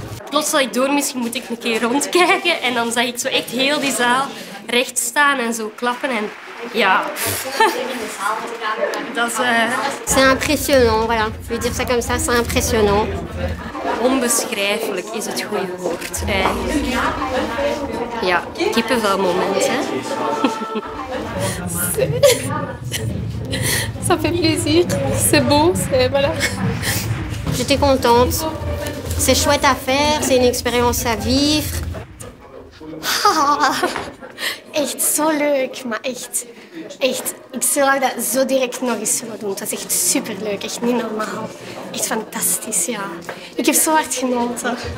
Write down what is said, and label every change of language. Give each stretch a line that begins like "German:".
Dutch: Plots zal ik door, misschien moet ik een keer rondkijken. En dan zag ik zo echt heel die zaal recht staan en zo klappen. En ja. Dat is.
French: C'est impressionnant, voilà. Je veux dire ça comme ça, c'est impressionnant.
Dutch: Onbeschrijfelijk is het goede woord. Ja, kippenvel moment, hè.
French: Ça fait plaisir. C'est beau, c'est. Voilà. J'étais contente. C'est chouette à faire, c'est une expérience à vivre.
Dutch: Oh, echt zo leuk, maar echt. Echt, ik zou dat zo direct nog eens willen doen. Het was echt superleuk, echt niet normaal. Echt fantastisch, ja. Ik heb zo hard genoten.